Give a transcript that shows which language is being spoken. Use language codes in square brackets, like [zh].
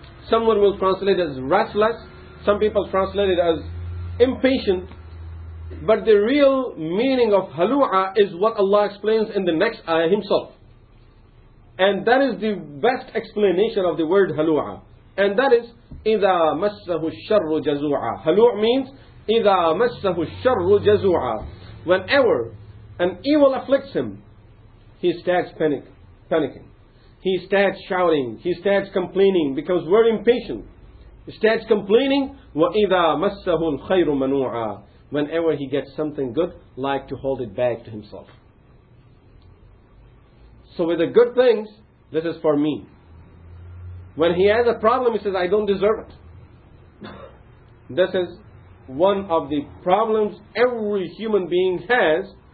[en] Someone will translate it as restless. Some people translate it as impatient. But the real meaning of halu'a is what Allah explains in the next ayah Himself. And that is the best explanation of the word halu'a. And that is, [ar] إِذَا مَسَّهُ الشَّرُّ جَزُوعًا. [en] Halu' means, [ar] إِذَا مَسَّهُ الشَّرُّ جَزُوعًا. [en] Whenever an evil afflicts him, he starts panicking. He starts shouting, he starts complaining, becomes very impatient. He starts complaining, [ar] وَإِذَا مَسَّهُ الْخَيْرُ مَنُوعًا. [en] Whenever he gets something good, like to hold it back to himself. So with the good things, this is for me. When he has a problem, he says, I don't deserve it. This is one of the problems every human being has.